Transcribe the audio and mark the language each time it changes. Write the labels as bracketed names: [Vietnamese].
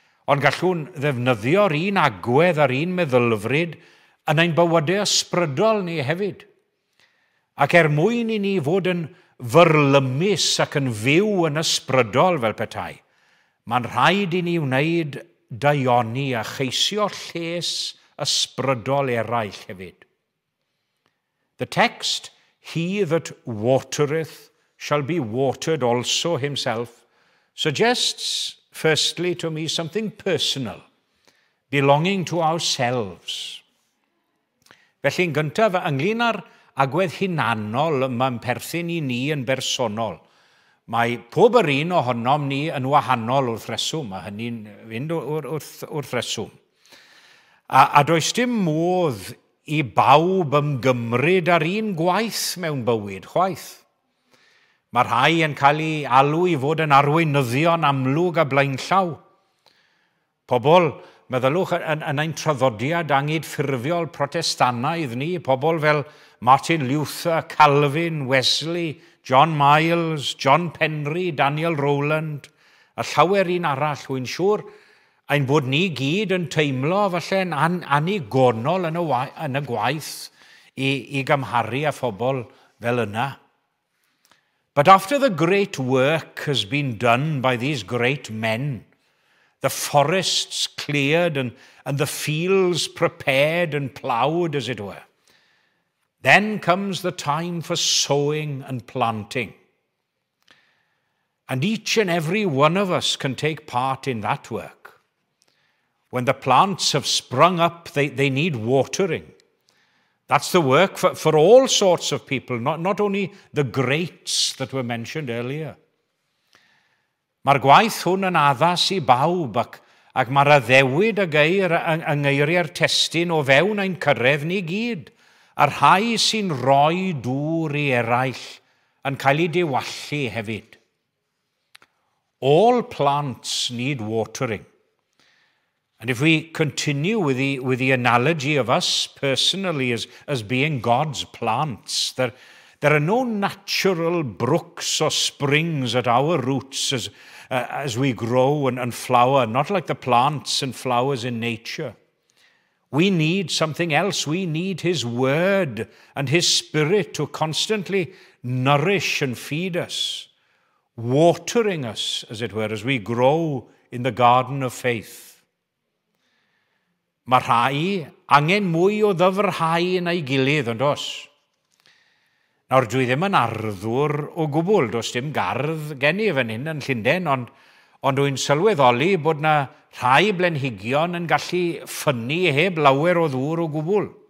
[Welsh] Ond gallwn ddefnyddio'r un agwedd ar un meddylfryd yn ein bywydau ysbrydol ni hefyd. Ac er mwyn I ni fod yn fyrlymus ac yn fyw yn ysbrydol fel petai, mae'n rhaid I ni wneud daioni a cheisio lles ysbrydol eraill hefyd. [English] The text, he that watereth shall be watered also himself, suggests firstly to me something personal, belonging to ourselves. [Welsh] Felly yn gyntaf, ynglyn â'r agwedd hunanol mae'n perthyn I ni yn bersonol. Mae pob yr un ohonom ni yn wahanol wrth reswm, mae hynny'n fynd wrth reswm. A does dim modd I bawb ymgymryd ar un gwaith mewn bywyd, chwaith. Mae rhai yn cael eu alw I fod yn arweinyddion amlwg a blaenllaw. Pobl, meddylwch yn ein traddodiad angydffurfiol protestannaidd ni, pobl fel Martin Luther, Calvin, Wesley, John Miles, John Penry, Daniel Rowland, a llawer un arall, wy'n siŵr, ein bod ni gyd yn teimlo falle'n anigonol yn y gwaith I gymharu â phobl fel yna. [English] But after the great work has been done by these great men, the forests cleared and the fields prepared and ploughed, as it were, then comes the time for sowing and planting. And each and every one of us can take part in that work. When the plants have sprung up, they need watering. That's the work for all sorts of people, not only the greats that were mentioned earlier. [Welsh] Mae'r gwaith hwn yn addas I bawb, ac mae'r addewyd y geir yng ngeiriau'r testyn o fewn ein cyrraedd ni gyd, a rhai sy'n rhoi dŵr I eraill yn cael eu diwallu hefyd. [English] All plants need watering. And if we continue with the analogy of us personally as being God's plants, there are no natural brooks or springs at our roots as we grow and flower, not like the plants and flowers in nature. We need something else. We need his word and his spirit to constantly nourish and feed us, watering us, as it were, as we grow in the garden of faith. [Welsh] Mae rhai angen mwy o ddyfrhau yn ei gilydd, ond os. Nawr, dwi ddim yn arddwr o gwbl, does dim gardd gen I fan hyn yn Llundain, ond dwi'n sylweddoli bod na rhai blenhigion yn gallu ffynnu heb lawer o ddŵr o gwbl.